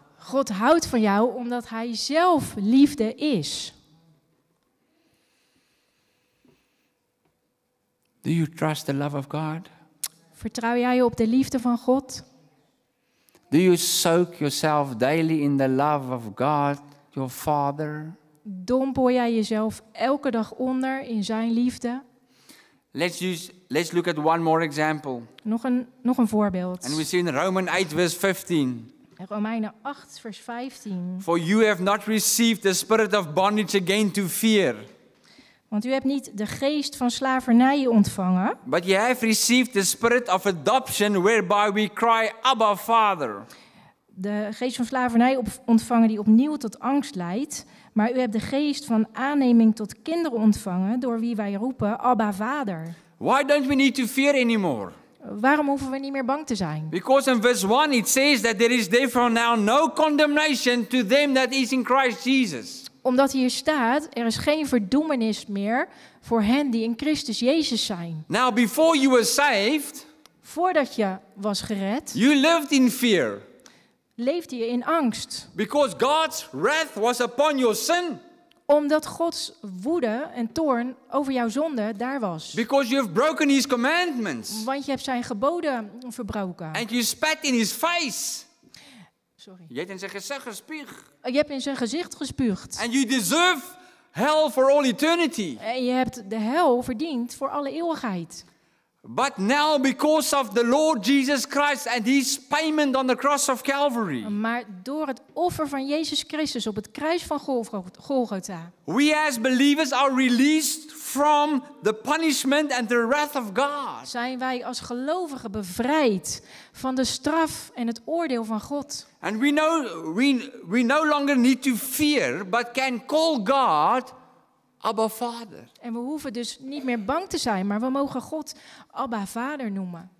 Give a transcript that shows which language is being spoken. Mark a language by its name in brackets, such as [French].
[Dutch] God houdt van jou omdat hij zelf liefde is. [English] Do you trust the love of God? [Dutch] Vertrouw jij op de liefde van God? [English] Do you soak yourself daily in the love of God, your Father? [Dutch] Dompel jij jezelf elke dag onder in zijn liefde? [English] Let's look at one more example. [Dutch] Nog een voorbeeld. [English] And we see in Romans 8, verse 15. [Dutch] Romeinen 8, vers 15. [English] For you have not received the spirit of bondage again to fear. [Dutch] Want u hebt niet de geest van slavernij ontvangen. [English] But you have received the spirit of adoption whereby we cry Abba Father. [Dutch] De geest van slavernij ontvangen die opnieuw tot angst leidt. Maar u hebt de geest van aanneming tot kinderen ontvangen door wie wij roepen Abba Vader. [English] Why don't we need to fear anymore? [Dutch] Waarom hoeven we niet meer bang te zijn? [English] Because in verse 1 it says that there is therefore now no condemnation to them that is in Christ Jesus. [Dutch] Omdat hier staat, er is geen verdoemenis meer voor hen die in Christus Jezus zijn. [English] Now before you were saved, [Dutch] voordat je was gered, [English] you lived in fear. [Dutch] Leefde je in angst. [English] Because God's wrath was upon your sin. [Dutch] Omdat Gods woede en toorn over jouw zonde daar was. [English] Because you have broken his commandments. [Dutch] Want je hebt zijn geboden verbroken. [English] And you spat in his face. Sorry. [Dutch] Je hebt in zijn gezicht gespuugd. Je hebt in zijn gezicht gespuugd. [English] And you deserve hell for all eternity. [Dutch] En je hebt de hel verdiend voor alle eeuwigheid. [English] But now because of the Lord Jesus Christ and his payment on the cross of Calvary. [Dutch] Maar door het offer van Jezus Christus op het kruis van Golgotha. [English] We as believers are released from the punishment and the wrath of God. [Dutch] Zijn wij als gelovigen bevrijd van de straf en het oordeel van God. [English] And we no longer need to fear but can call God Abba Vader. [Dutch] En we hoeven dus niet meer bang te zijn, maar we mogen God Abba Vader noemen.